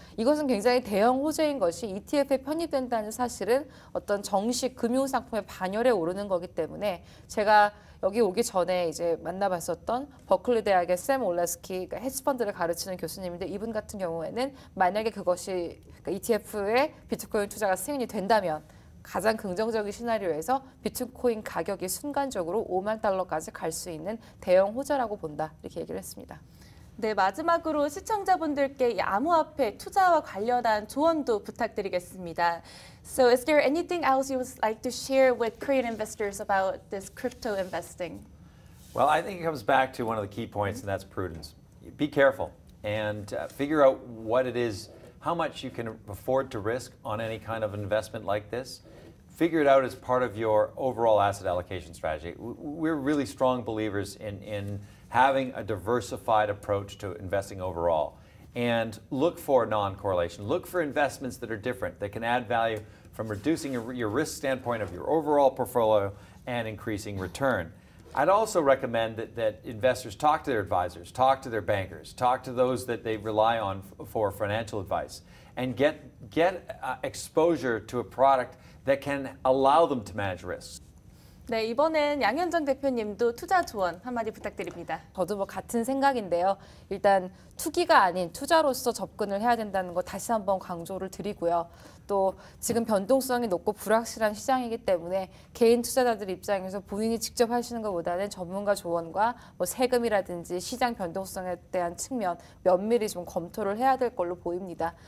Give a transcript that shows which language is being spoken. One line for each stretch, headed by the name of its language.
Korean: 이것은 굉장히 대형 호재인 것이 ETF에 편입된다는 사실은 어떤 정식 금융 상품의 반열에 오르는 거기 때문에 제가 여기 오기 전에 이제 만나봤었던 버클리 대학의 샘 올레스키, 그러니까 헤지펀드를 가르치는 교수님인데 이분 같은 경우에는 만약에 그것이 그러니까 ETF에 비트코인 투자가 승인이 된다면 가장 긍정적인 시나리오에서 비트코인 가격이 순간적으로 5만 달러까지 갈 수 있는 대형 호재라고 본다. 이렇게 얘기를 했습니다. 네, 마지막으로 시청자분들께 암호화폐 투자와 관련한 조언도 부탁드리겠습니다.
English: So is there anything else you would like to share with Korean investors about this crypto investing? Well, I think it comes back to one of the key points, and that's prudence. Be careful and figure out what it is. How much you can afford to risk on any kind of investment like this, figure it out as part of your overall asset allocation strategy. We're really strong believers in having a diversified approach to investing overall. And look for non-correlation. Look for investments that are different, that can add value from reducing your risk standpoint of your overall portfolio and increasing return. I'd also recommend that investors talk to their advisors, talk to their bankers, talk to those that they rely on for financial advice, and get exposure to a product that can allow them to manage risks.
Korean: 네, 이번엔 양현정 대표님도 투자 조언 한마디 부탁드립니다. 저도 뭐 같은 생각인데요. 일단 투기가 아닌 투자로서 접근을 해야 된다는 거 다시 한번 강조를 드리고요. 또 지금 변동성이 높고 불확실한 시장이기 때문에 개인 투자자들 입장에서 본인이 직접 하시는 것보다는 전문가 조언과 뭐 세금이라든지 시장 변동성에 대한 측면 면밀히 좀 검토를 해야 될 걸로 보입니다.